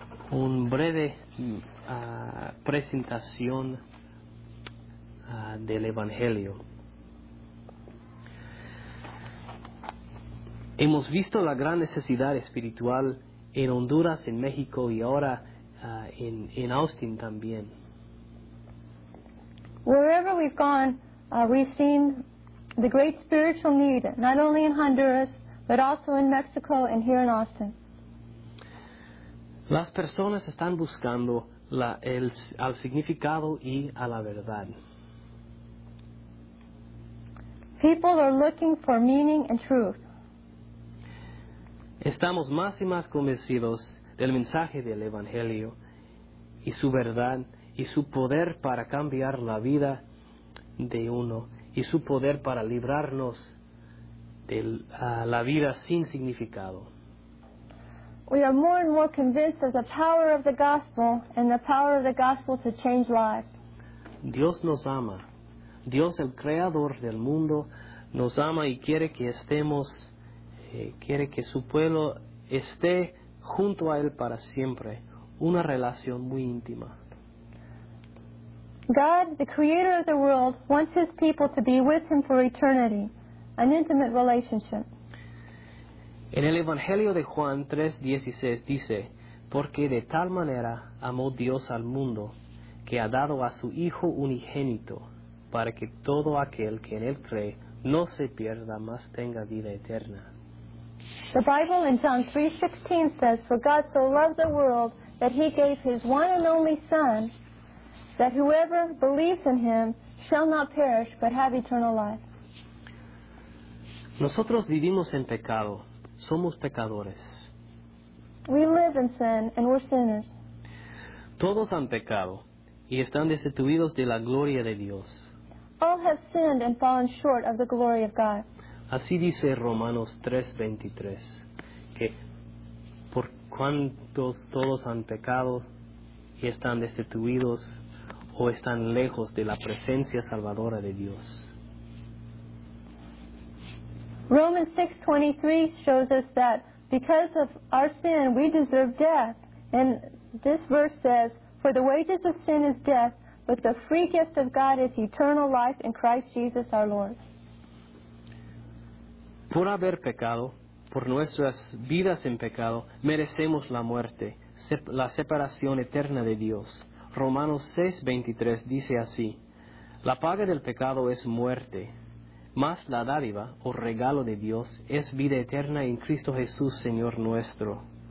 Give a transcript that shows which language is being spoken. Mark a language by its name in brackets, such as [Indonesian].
[Spanish] Un breve presentación del Evangelio. Hemos visto la gran necesidad espiritual en Honduras, en México y ahora en Austin también. [English] Wherever we've gone, we've seen the great spiritual need, not only in Honduras, but also in Mexico and here in Austin. [Spanish] Las personas están buscando al significado y a la verdad. [English] People are looking for meaning and truth. [Spanish] Estamos más y más convencidos del mensaje del Evangelio y su verdad, y su poder para cambiar la vida de uno, y su poder para librarnos de la vida sin significado. [English] We are more and more convinced of the power of the gospel and the power of the gospel to change lives. [Spanish] Dios nos ama. Dios, el creador del mundo, nos ama y quiere que estemos, quiere que su pueblo esté junto a él para siempre. Una relación muy íntima. [English] God, the creator of the world, wants his people to be with him for eternity. An intimate relationship. [Spanish] En el Evangelio de Juan 3:16 dice, porque de tal manera amó Dios al mundo, que ha dado a su Hijo unigénito, para que todo aquel que en él cree no se pierda, mas tenga vida eterna. [English] The Bible in John 3:16 says, for God so loved the world that he gave his one and only Son, that whoever believes in him shall not perish, but have eternal life. [Spanish] Nosotros vivimos en pecado. Somos pecadores. [English] We live in sin, and we're sinners. [Spanish] Todos han pecado, y están destituidos de la gloria de Dios. [English] All have sinned and fallen short of the glory of God. [Spanish] Así dice Romanos 3:23, que por cuantos todos han pecado, y están destituidos, o están lejos de la presencia salvadora de Dios. [English] Romans 6:23 shows us that because of our sin, we deserve death. And this verse says, for the wages of sin is death, but the free gift of God is eternal life in Christ Jesus our Lord. [Spanish] Por haber pecado, por nuestras vidas en pecado, merecemos la muerte, la separación eterna de Dios. Romanos 6:23 dice así, la paga del pecado es muerte. Mas la dádiva, o regalo de Dios, es vida eterna en Cristo Jesús, Señor nuestro.